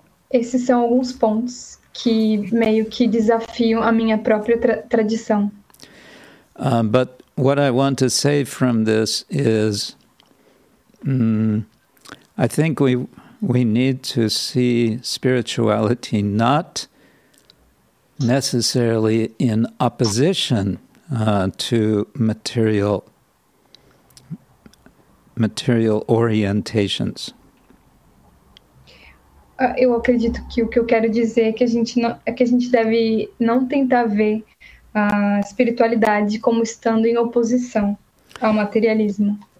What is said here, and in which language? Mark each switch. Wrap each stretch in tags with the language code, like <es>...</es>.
<pt>Esses são alguns pontos que meio que desafiam a minha própria tradição.</pt> <en>But what I want to say from this is, I think we need to see spirituality not necessarily in opposition to material orientations.</en> <pt>Eu acredito que o que eu quero dizer é que a gente deve não tentar ver a espiritualidade como estando em oposição ao materialismo.</pt>